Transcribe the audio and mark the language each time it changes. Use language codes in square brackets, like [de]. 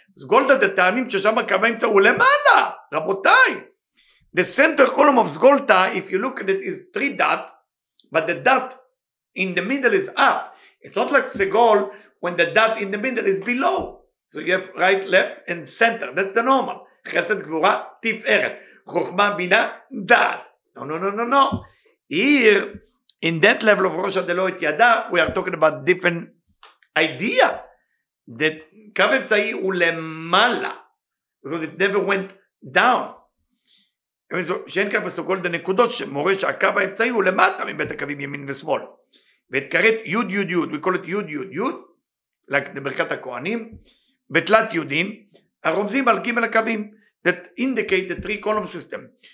[he] Zgolta de ta'amim ששם הקווים צאו למעלה. רבותיי. [en] The center column of Zgolta, if you look at it, is three dot, but the dot in the middle is up. It's not like Segol when the dot in the middle is below. So you have right, left, and center. That's the normal. Chesed Gvura, Tif Eret. Chochma Bina, dot. No. Here, in that level of Rosh HaDeloit Yada, we are talking about different idea. That Kav Emtzai Ulemala, because it never went down. [he] שאין כך בסוגול את הנקודות שמורה שהקו האמצעי הוא למטה מבית הקווים ימין ושמאל. ואתקראת יוד יוד יוד, we call it יוד יוד יוד, like ברכת הכהנים, בתלת יודים, הרומזים על ג' הקווים, [en] that indicate the three column system.